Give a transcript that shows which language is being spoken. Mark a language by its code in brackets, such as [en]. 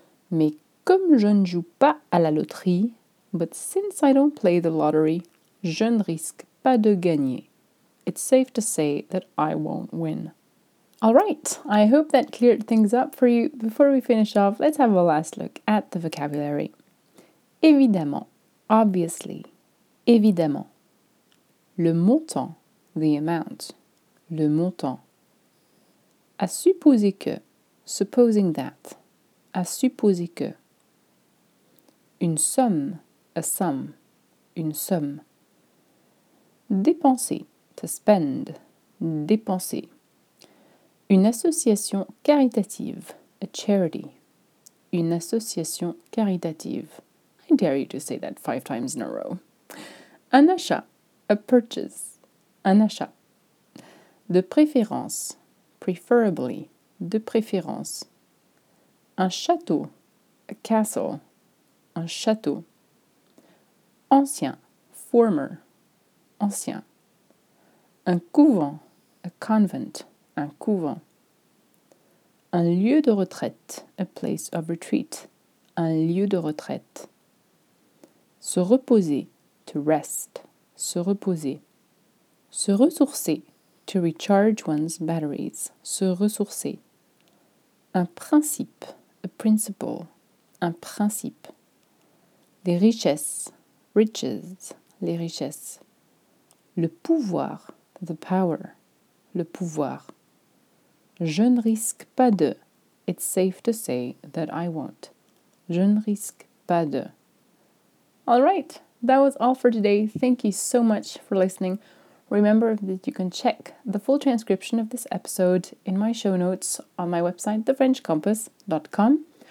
[fr] Mais comme je ne joue pas à la loterie, [en] but since I don't play the lottery, [fr] je ne risque pas de gagner. [en] It's safe to say that I won't win. All right, I hope that cleared things up for you. Before we finish off, let's have a last look at the vocabulary. [fr] Évidemment, obviously, évidemment. Le montant, the amount, le montant. À supposer que, supposing that, à supposer que. Une somme, a sum, une somme. Dépenser, to spend, dépenser. Une association caritative, a charity. Une association caritative. [en] I dare you to say that 5 times in a row. [fr] Un achat, a purchase, un achat. De préférence, preferably, de préférence. Un château, a castle, un château. Ancien, former, ancien. Un couvent, a convent, un couvent. Un lieu de retraite, a place of retreat, un lieu de retraite. Se reposer, to rest, se reposer. Se ressourcer, to recharge one's batteries, se ressourcer. Un principe, a principle, un principe. Les richesses, riches, les richesses. Le pouvoir, the power, le pouvoir. Je ne risque pas de. [en] It's safe to say that I won't. [fr] Je ne risque pas de. [en] All right, that was all for today. Thank you so much for listening. Remember that you can check the full transcription of this episode in my show notes on my website, thefrenchcompass.com.